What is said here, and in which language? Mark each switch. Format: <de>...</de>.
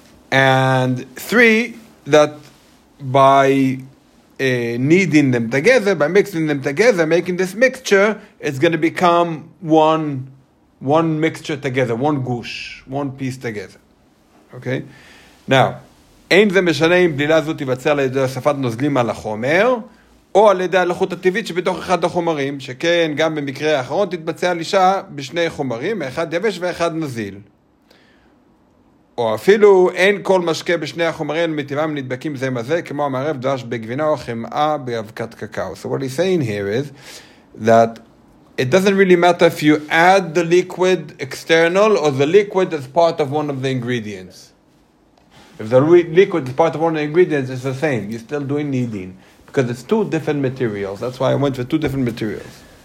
<en>And three, that by kneading them together, by mixing them together, making this mixture, it's going to become one mixture together, one gush, one piece together. Okay?</en> <he>Now, אין זה משנה אם בלילה זו תיווצר על ידי הוספת נוזלים על החומר, או על ידי הלכות הטבעית שבתוך אחד החומרים, שכן גם במקרה האחרון תתבצע לישה בשני חומרים, אחד יבש ואחד נזיל. או אפילו אין כל משקה בשני החומרים, מטבעם נדבקים זה מזה, כמו המערב דבש בגבינה או חמאה באבקת קקאו.</he> <en>So what he's saying here is that it doesn't really matter if you add the liquid external or the liquid is part of one of the ingredients. If the liquid is part of one of the ingredients, it's the same. You're still doing kneading. Because it's two different materials. That's why I went with two different materials.</en>